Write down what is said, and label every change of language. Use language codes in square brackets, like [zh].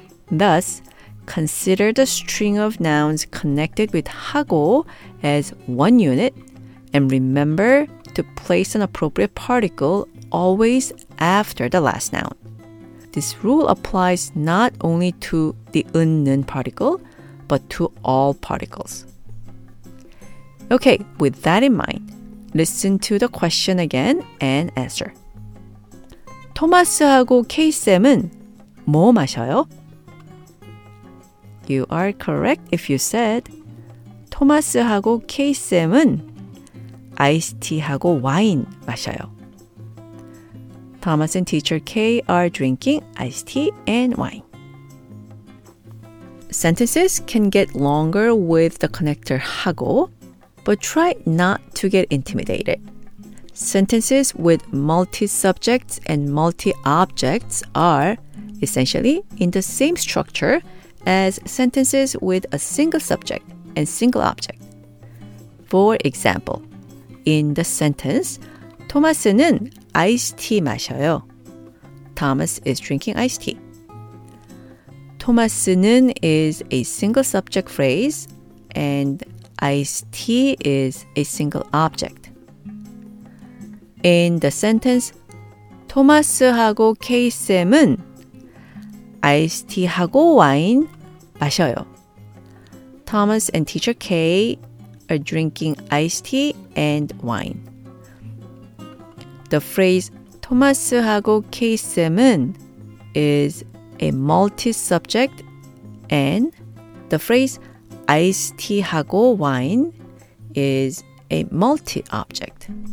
[en] Thus, consider the string of nouns connected with 하고 as one unit and remember to place an appropriate particle always after the last noun. This rule applies not only to the 은는 particle, but to all particles. Okay, with that in mind, listen to the question again and answer. [ko] 토마스하고 K쌤은 뭐 마셔요? [en] You are correct if you said [ko] 토마스하고 K쌤은 아이스티하고 와인 마셔요. [en] Thomas and Teacher K are drinking iced tea and wine. Sentences can get longer with the connector 하고, but try not to get intimidated. Sentences with multi-subjects and multi-objects are essentially in the same structure as sentences with a single subject and single object. For example, in the sentence, [ko] 토마스는 아이스티 마셔요. [en] Thomas is drinking iced tea. 토마스는 is a single subject phrase and iced tea is a single object. In the sentence, [ko] 토마스하고 K쌤은 아이스티하고 와인 마셔요. [en] Thomas and Teacher K are drinking iced tea and wine. The phrase [ko] 토마스하고 K쌤은 [en] is a multi-subject and the phrase [ko] 아이스티하고 와인 [en] is a multi-object.